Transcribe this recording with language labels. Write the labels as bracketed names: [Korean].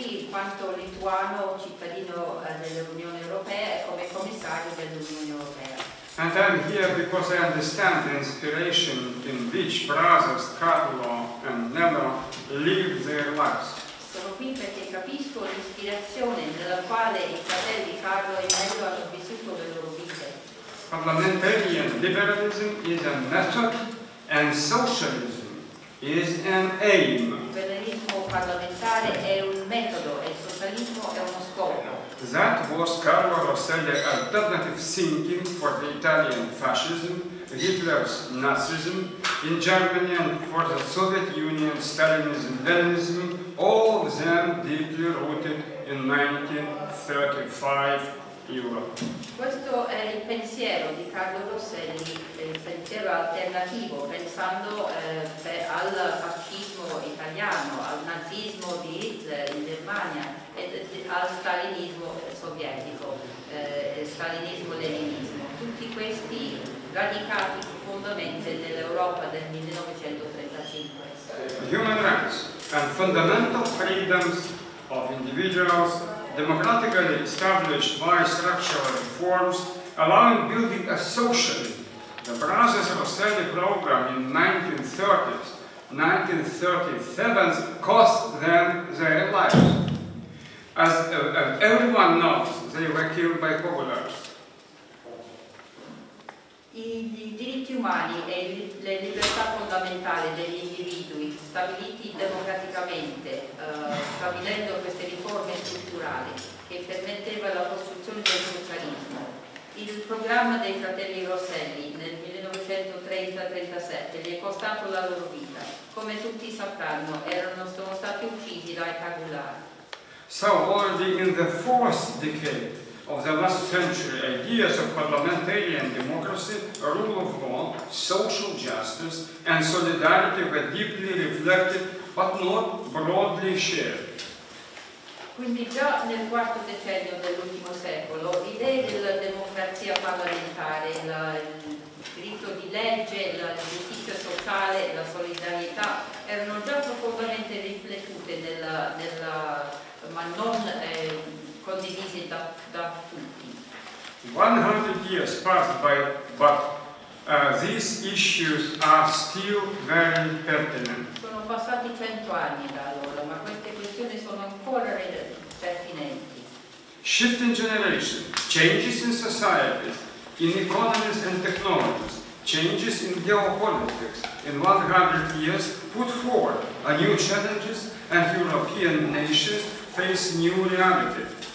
[Italian] quanto lituano cittadino dell'Unione Europea e come commissario dell'Unione Europea. [English] And I'm here because I understand the inspiration in which brothers travel and never live their lives. [Italian] Sono qui perché capisco l'ispirazione nella quale i fratelli Carlo e Nello hanno vissuto le loro vite. [English] Parliamentarian liberalism is a method and socialism is an aim. [Italian] Liberalismo parlamentare è un metodo e il socialismo è uno scopo. [English] That was Carlo Rosselli's alternative thinking for the Italian fascism, Hitler's Nazism, in Germany and for the Soviet Union, Stalinism, Leninism, all of them deeply rooted in 1935 Europe. [Italian] Questo è il pensiero di Carlo Rosselli, il pensiero alternativo, pensando al fascismo italiano, al nazismo di Hitler in Germania, al stalinismo sovietico, stalinismo-leninismo, tutti questi radicati profondamente nell'Europa del 1935. [English] Human rights and fundamental freedoms of individuals, democratically established by structural reforms, allowing building a socialism. The Brothers Rosselli program in 1930s, 1937 cost them their lives. As everyone knows, they were killed by Kogolars. [Italian] I diritti umani e le libertà fondamentali degli individui stabiliti democraticamente, stabilendo queste riforme strutturali che permetteva la costruzione del socialismo. Il programma dei fratelli Rosselli nel 1930-37 gli è costato la loro vita. Come tutti sapranno, sono stati uccisi dai Kogolar. [English] So already in the fourth decade of the last century, ideas of parliamentarian democracy, rule of law, social justice, and solidarity were deeply reflected, but not broadly shared. [Italian] Quindi già nel quarto decennio dell'ultimo secolo, idee della democrazia parlamentare, il diritto di legge, la giustizia sociale, la solidarietà, erano già profondamente riflettute nella ma non condivisi da tutti. [English] 100 years passed by, but these issues are still very pertinent. [Italian] Sono passati 100 anni da allora, ma queste questioni sono ancora pertinenti. [English] Shifting generations, changes in societies, in economies and technologies, changes in geopolitics in 100 years put forward a new challenges and European nations face new reality.